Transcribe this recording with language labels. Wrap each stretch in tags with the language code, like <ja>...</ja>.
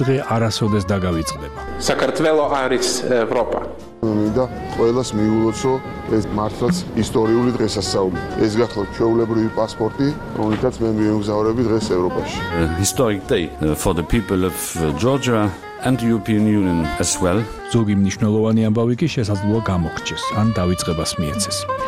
<ka>არასოდეს დაგავიწყდება. საქართველო არის ევროპა. მინდა ყოველას მიულოცო ეს მართლაც ისტორიული დღესასწაული. ეს გახლავთ ჩვეულებრივი პასპორტი, რომელიცაც მე მიემგზავრები დღეს ევროპაში.</ka> <en>Historic day for the people of Georgia and the European Union as well.</en> <ka>ზოგი მნიშვნელოვანი ამბავი კი შესაძლოა გამოგჩეს ან დაიწყებას მიეცეს.</ka>